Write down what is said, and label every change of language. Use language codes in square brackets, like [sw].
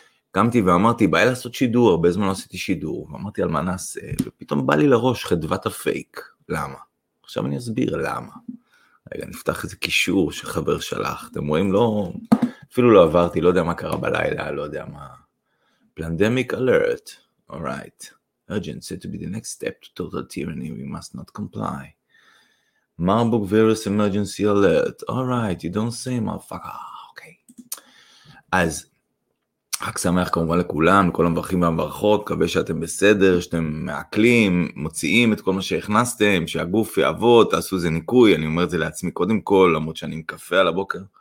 [he] קמתי ואמרתי, בא לי לעשות שידור, הרבה זמן לא עשיתי שידור, ואמרתי על מה נעשה, ופתאום בא לי לראש חדוות הפייק, למה? עכשיו אני אסביר למה. רגע, נפתח איזה קישור שחבר שלח, אתם רואים? לא, אפילו לא עברתי, לא יודע מה קרה בלילה, לא יודע מה. [en] Pandemic alert, all right. Urgent, said to be the next step to total tyranny, we must not comply. Marburg virus emergency alert, all right, you don't say, motherfucker, okay. [he] אז, חג שמח כמובן לכולם, לכל המברכים והמברכות, מקווה שאתם בסדר, שאתם מעכלים, מוציאים את כל מה שהכנסתם, שהגוף יעבוד, תעשו זה ניקוי, אני אומר את זה לעצמי קודם כל, למרות שאני עם קפה על הבוקר.